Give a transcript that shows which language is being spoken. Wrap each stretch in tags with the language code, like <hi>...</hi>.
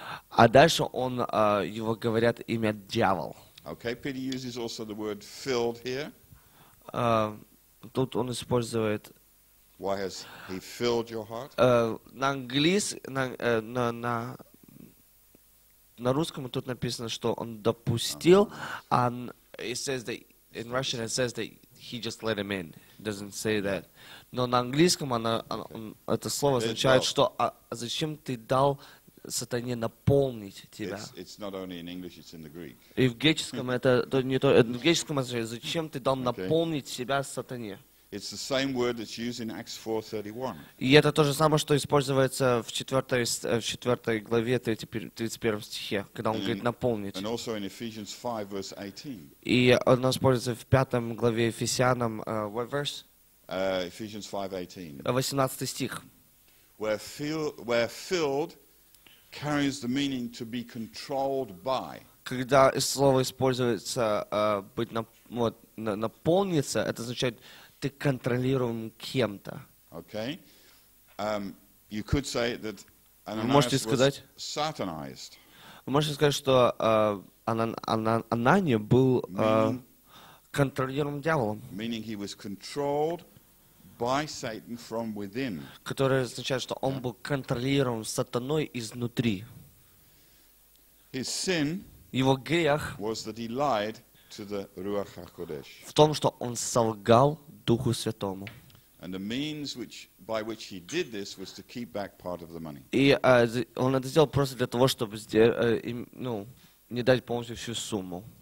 <ru>А дальше он его говорят имя дьявол.</ru> <en>Okay, Peter uses also the word filled here.</en> <ru>Тут он использует.</ru> <en>Why has he filled your heart?</en> <ru>На русском тут написано, что он допустил,</ru> <en>and it says that in Russian it says that he just let him in. It doesn't say that.</en> <ru>Но на английском это слово означает, что зачем ты дал сатане наполнить тебя.</ru> <en>It's not only in English, it's in the Greek.</en> <ru>И в греческом это не то. В греческом означает, зачем ты дал наполнить себя сатане?</ru> <en>It's the same word that's used in Acts 4:31.</en> <ru>И это то же самое, что используется в четвертой главе 31 стихе, когда он говорит наполнить.</ru> <en>And also in Ephesians 5, verse 18.</en> <ru>И оно используется в пятом главе Ефесянам,</ru> <en>what verse? Ephesians 5:18.</en> <ru>18 стих.</ru> <en>We're filled carries the meaning to be controlled by.</en> <ru>Когда слово используется наполниться, это означает ты контролируем кем-то.</ru> <en>Okay. You could say that Ananias was satanized.</en> <ru>Вы можете сказать, что Анания был контролируем дьяволом.</ru> <en>Meaning he was controlled by Satan from within.</en> <ru>Которое означает, что он был контролируем сатаной изнутри.</ru> <en>His sin was that he lied to the Ruach HaKodesh.</en> <ru>В том, что он солгал Духу Святому.</ru> <en>And the means by which he did this was to keep back part of the money.</en> <ru>И он это сделал просто для того, чтобы не дать полностью всю сумму.</ru>